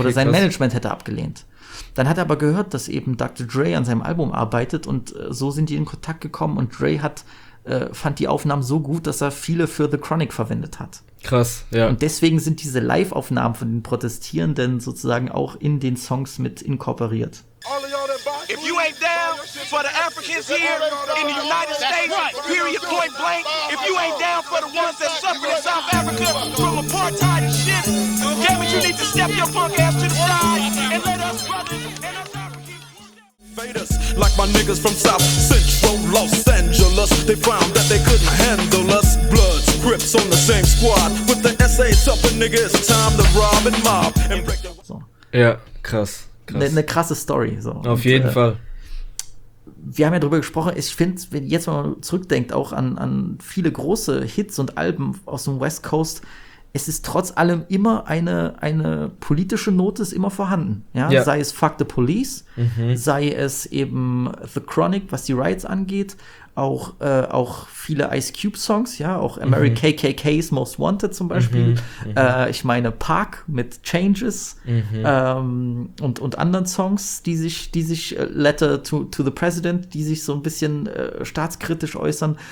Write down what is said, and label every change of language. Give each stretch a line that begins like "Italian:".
German: Oder sein Management hätte abgelehnt. Dann hat er aber gehört, dass eben Dr. Dre an seinem Album arbeitet und so sind die in Kontakt gekommen und Dre fand die Aufnahmen so gut, dass er viele für The Chronic verwendet hat. Krass, ja. Und deswegen sind diese Live-Aufnahmen von den Protestierenden sozusagen auch in den Songs mit inkorporiert.
English: If you ain't down for the Africans here in the United States, period, point blank, if you ain't down for the ones that suffered in South Africa from apartheid and shit, damn it, you need to step your punk ass to the side and let us brothers and us Africans. Like my niggas from South Central Los Angeles, they found that they couldn't handle us. Bloods, Crips on the same squad, with the SA's up a nigga, it's time to rob and mob and break the... Yeah,
German: krass. Eine krasse Story. So. Auf jeden Fall. Wir haben ja drüber gesprochen, ich finde, wenn jetzt mal zurückdenkt, auch an viele große Hits und Alben aus dem West Coast, es ist trotz allem immer eine politische Note, ist immer vorhanden. Ja? Ja. Sei es Fuck the Police, sei es eben The Chronic, was die Riots angeht, auch viele Ice Cube Songs, ja, auch American KKK's Most Wanted zum Beispiel, ich meine Park mit Changes und anderen Songs, die sich Letter to the President, die sich so ein bisschen staatskritisch äußern.